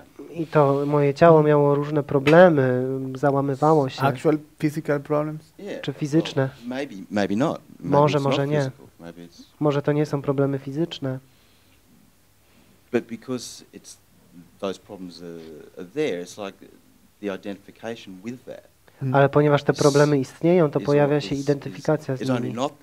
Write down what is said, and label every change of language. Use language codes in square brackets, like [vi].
[pl] I to moje ciało miało różne problemy, załamywało się. [en] Actual physical problems? [pl] Czy fizyczne? [en] Well, maybe not. [pl] Może nie. Może to nie są problemy fizyczne. [en] But because it's those problems are there, it's like the identification with that. [pl] Ale ponieważ te problemy istnieją, to pojawia się identyfikacja z nimi.